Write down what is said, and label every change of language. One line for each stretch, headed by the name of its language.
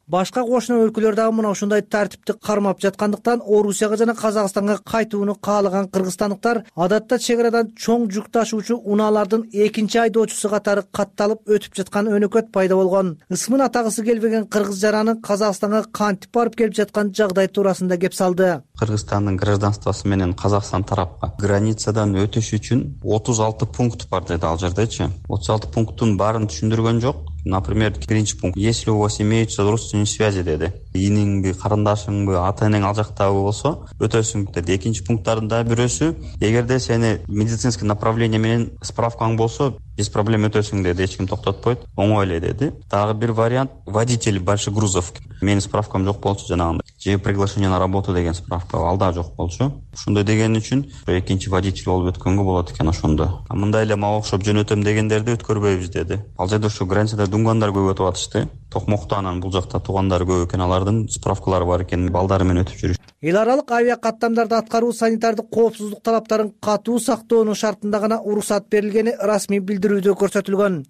Kyrgyz: Башка кошуна өлкөлөр дагы мына ушундай тартипти кармап жаткандыктан Орусияга жана Казакстанга кайтууну каалаган кыргызстандыктар адатта чек арадан чоң жүк ташуучу унаалардын экинчи айдоочусу катары катталып өтүп жаткан өнөкөт пайда болгон. Ысмын атагысы келбеген кыргыз жараны Казакстанга кантип барып келип жаткан жагдай туурасында кеп салды. Кыргызстандын гражданствосу менен Казакстан тарапка границадан өтүш үчүн 36 пункт бар деди ал жердечи. 36 пункттун баарын түшүндүргөн жок.
Russian: Например,
Kyrgyz: биринчи пункт:
Russian: если у вас имеются родственные связи,
Kyrgyz: деди. Ининиңби, карындашыңбы, ата-энең ал жактабы болсо, өтөсүң деди. Экинчи пункттарында бирөөсү: эгерде сени
Russian: медицинский направление
Kyrgyz: менен справкаң болсо,
Russian: без проблем
Kyrgyz: өтөсүң деди, эч ким токтотпойт, оңой эле деди. Дагы бир вариант:
Russian: водитель больших грузов.
Kyrgyz: Менин справкам жок болчу жанагындай. Же
Russian: приглашение на работу
Kyrgyz: деген справка ал да жок болчу. Ушундай деген үчүн экинчи водитель болуп өткөнгө болот экен ошондо. А мындай эле мага окшоп жөнөтөм дегендерди өткөрбөйбүз деди. Ал жерде ушу границада дүнгөндөр көп өтүп атышты. Токмокто анан бул жакта туугандар көп экен, алардын справкалары бар экен, балдары менен өтүп жүрүш. Эл аралык авиа каттамдарды аткаруу санитардык коопсуздук талаптарын катуу сактоонун шартында гана уруксат берилгени расмий билдирүүдө көрсөтүлгөн.